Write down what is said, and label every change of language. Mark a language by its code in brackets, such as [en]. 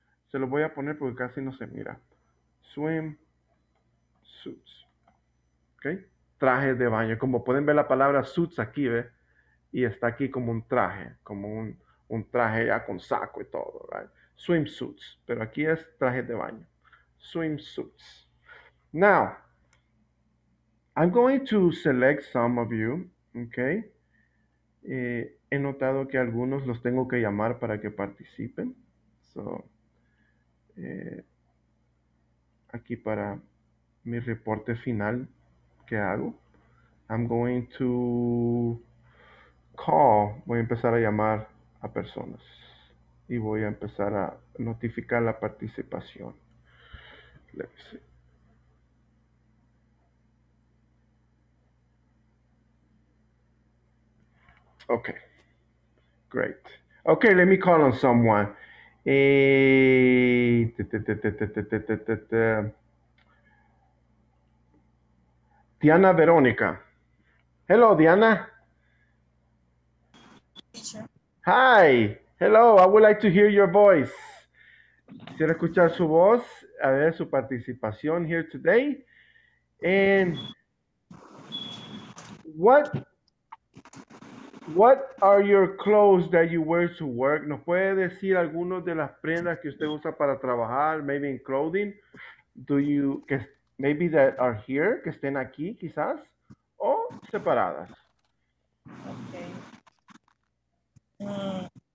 [es] Se lo voy a poner porque casi no se mira. Swimsuits. Okay? Trajes de baño. Como pueden ver la palabra suits aquí, ¿ve? Y está aquí como un traje, como un traje ya con saco y todo, right? Swimsuits, pero aquí es traje de baño. Swimsuits. [en] Now, I'm going to select some of you, okay? [es] He notado que algunos los tengo que llamar para que participen. So, aquí para mi reporte final que hago. [en] I'm going to call, [es] voy a empezar a llamar a personas y voy a empezar a notificar la participación. [en] Let me see. Okay, great. Okay, let me call on someone. Diana Veronica. Hello, Diana. Hi, hello, I would like to hear your voice. [es] Quisiera escuchar su voz, a ver su participación [en] here today. And what are your clothes that you wear to work? [es] ¿Nos puede decir algunos de las prendas que usted usa para trabajar, [en] maybe in clothing? Do you, maybe that are here, [es] que estén aquí quizás, o separadas? [en] Okay.